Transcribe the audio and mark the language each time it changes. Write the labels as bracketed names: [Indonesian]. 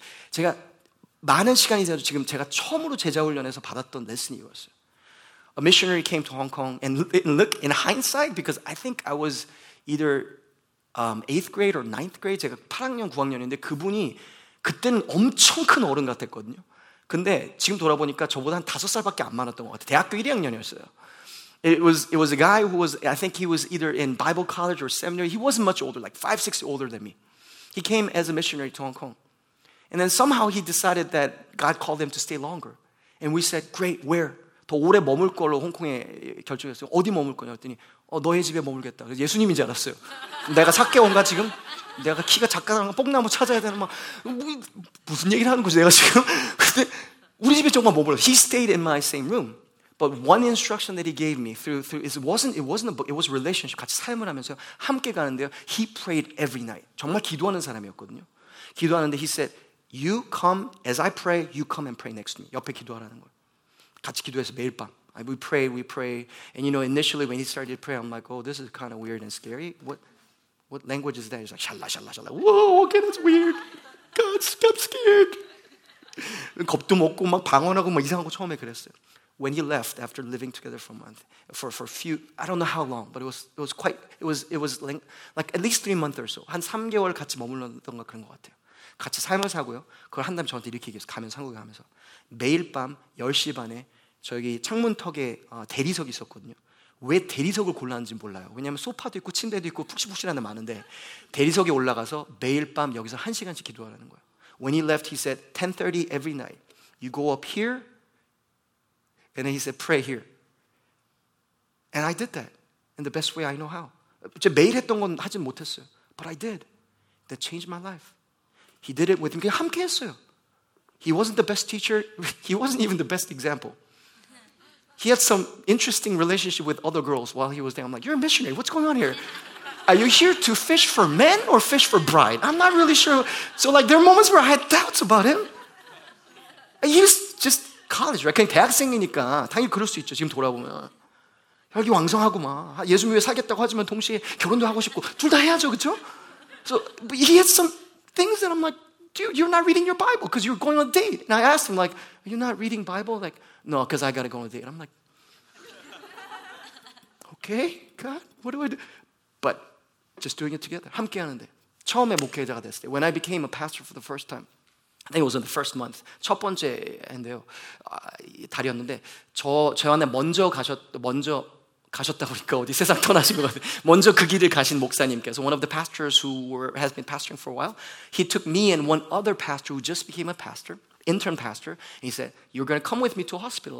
[Korean] 제가 많은 시간이 돼서 지금 제가 처음으로 제자훈련에서 받았던 레슨이 이거였어요. [English] A missionary came to Hong Kong, and look, in hindsight, because I think I was either 8th grade or 9th grade, [Korean] 제가 8학년, 9학년인데 그분이 그때는 엄청 큰 어른 같았거든요. 근데 지금 돌아보니까 저보다 한 다섯 살밖에 안 많았던 것 같아요. 대학교 1학년이었어요. [English] It was a guy who was, I think he was either in Bible college or seminary. He wasn't much older, like 5-6 older than me. He came as a missionary to Hong Kong. And then somehow he decided that God called him to stay longer. And we said, great, where? [Korean] 더 오래 머물 걸로 홍콩에 결정했어요. 어디 머물 거냐 했더니 너의 집에 머물겠다. 그래서 예수님인 줄 알았어요. 내가 사케온가 지금? 내가 키가 작다는 뽕나무 찾아야 되는 무슨 얘기를 하는 거지 내가 지금? 근데 우리 집에 정말 머물러. [English] He stayed in my same room. But one instruction that he gave me through it wasn't a book. It was a relationship. [Korean] 같이 삶을 하면서 함께 가는데요. [English] He prayed every night. [Korean] 정말 기도하는 사람이었거든요. 기도하는데 [English] he said, "You come as I pray. You come and pray next to me." [Korean] 옆에 기도하라는 거. 같이 기도해서 매일 밤. [English] We pray. And you know, initially when he started praying, I'm like, "Oh, this is kind of weird and scary." What language is that? He's like, shalla, shalla, shalla. Whoa, okay, that's weird. God, I'm scared. [Korean] 겁도 먹고 막 방언하고 막 이상한 거 처음에 그랬어요. [English] When he left after living together for a month, for a few, I don't know how long, but it was like at least 3 months or so. [Korean] 한 3개월 같이 머물렀던가 그런 것 같아요. 같이 삶을 사고요. 그걸 한 다음에 저한테 이렇게 얘기했어요. 가면 상국에 가면서. 매일 밤 10시 반에 저기 창문턱에 대리석이 있었거든요. 왜 대리석을 골랐는지 몰라요. 왜냐하면 소파도 있고 침대도 있고 푹신푹신한 데 많은데 대리석에 올라가서 매일 밤 여기서 한 시간씩 기도하라는 거예요. [English] When he left, he said 10:30 every night. You go up here, and then he said pray here. And I did that in the best way I know how. [Korean] 제가 매일 했던 건 하진 못했어요. [English] But I did. That changed my life. He did it with me. [Korean] 함께 했어요. [English] He wasn't the best teacher. He wasn't even the best example. He had some interesting relationship with other girls while he was there. I'm like, you're a missionary. What's going on here? Are you here to fish for men or fish for bride? I'm not really sure. So like there are moments where I had doubts about him. He was just college, right? [Korean] 그냥 대학생이니까 당연히 그럴 수 있죠. 지금 돌아보면. 혈기 왕성하고 막 예수 위해 살겠다고 하지만 동시에 결혼도 하고 싶고 둘 다 해야죠, 그쵸? [English] So but he had some things that I'm like, dude, you're not reading your Bible because you're going on a date. And I asked him, like, are you not reading Bible? Like, no, because I got to go on a date. And I'm like, okay, God, what do I do? But just doing it together. [Korean] 함께하는데. 처음에 목회자가 됐을 때, [English] when I became a pastor for the first time, I think it was in the first month. [Korean] 첫 번째인데요. 달이었는데, 저한테 먼저 가셨다 보니까 어디 세상 떠나신 것 같아요. 먼저 그 길을 가신 목사님께서 [English] one of the pastors who has been pastoring for a while, he took me and one other pastor who just became a pastor, intern pastor, and he said, you're going to come with me to a hospital.